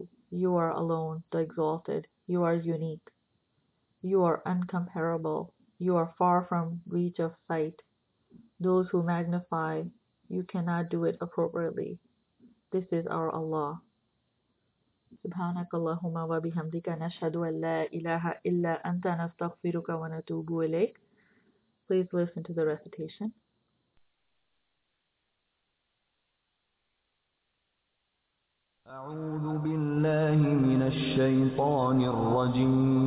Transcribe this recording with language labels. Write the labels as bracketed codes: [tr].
[en] You are alone, the exalted. You are unique. You are incomparable. You are far from reach of sight. Those who magnify, you cannot do it appropriately. This is our Allah. [ar] سبحانك اللهم وبحمدك نشهد أن لا إله إلا أنت نستغفرك ونتوب إليك. [en] Please listen to the recitation. [ar] أعوذ بالله من الشيطان الرجيم.